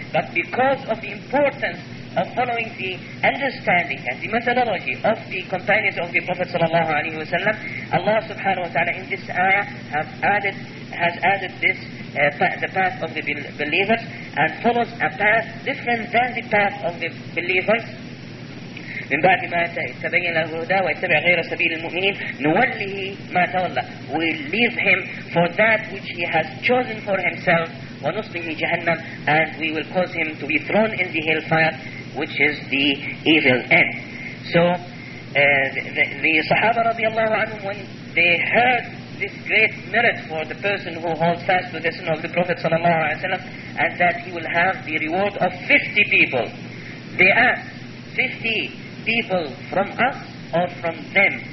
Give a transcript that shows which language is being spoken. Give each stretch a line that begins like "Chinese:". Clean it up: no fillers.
English: But because of the importance of following the understanding and the methodology of the companions of the Prophet sallallahu alaihi wasallam, Allah subhanahu wa ta'ala in this ayah has added the path of the believers, and follows a path different than the path of the believers.
Arabic: من بعد ما تبين له الهدى ويتبع غير سبيل المؤمنين نوله ما تولى.
English: We leave him for that which he has chosen for himself,
Arabic: ونصله جهنم,
English: and we will cause him to be thrown in the hellfire, which is the evil end. So the Sahaba
Arabic: رضي الله عنهم,
English: when they heard this great merit for the person who holds fast to the sunnah of the Prophet
Arabic: صلى الله عليه وسلم,
English: and that he will have the reward of 50 people, they asked, 50 people from us or from them?